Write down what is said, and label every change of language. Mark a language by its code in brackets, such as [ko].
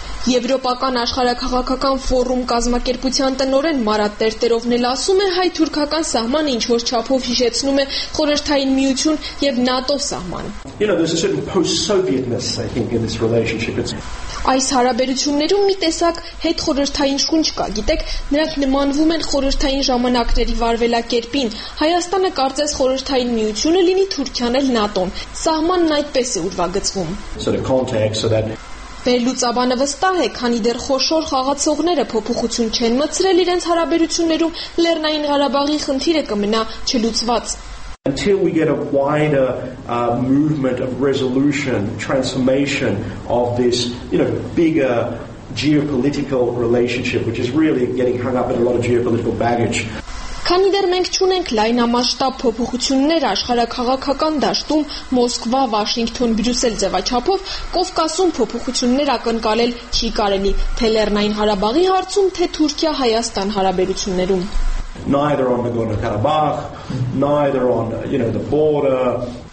[hy] Եվրոպական աշխարհակաղակական ֆորում կազմակերպության տնօրեն Մարատ Տերտերովն էլ ասում է, հայ-թուրքական սահմանը ինչ-որ չափով հիշեցնում է խորհրդային միություն և ՆԱՏՕ սահման։ Այս հարաբերություններում մի տեսակ հետ խորհրդային շունչ կա, գիտեք, նրանք նմանվում են խորհրդային ժամանակների վարվելակերպին, Հայաստանը կարծես խորհրդային միությունը լինի Թուրքիան էլ ՆԱՏՕ-ն, սահմանն այդպես է ուրվագծվում։ Վերլուծաբանը վստահ է, քանի դեռ խոշոր խաղացողները փոփոխություն չեն մցրել իրենց հարաբերություններում, Լեռնային Ղարաբաղի խնդիրը կմնա չլուծված։ [en] Until we get a wider movement of resolution, transformation of this, you know, bigger geopolitical relationship, which is really getting hung up in a lot of geopolitical baggage. [hy] Քանի դեռ մենք չունենք լայնամասշտաբ փոփոխություններ աշխարհակաղակական դաշտում Մոսկվա, Վաշինգտոն, Բրյուսել ձևաչափով, Կովկասում փոփոխություններ ակնկալել չի կարելի, թե Լեռնային Ղարաբաղի հարցում, թե Թուրքիա-Հայաստան հարաբերություններում։ [en] Neither on the Nagorno-Karabakh, neither on, you know, the border.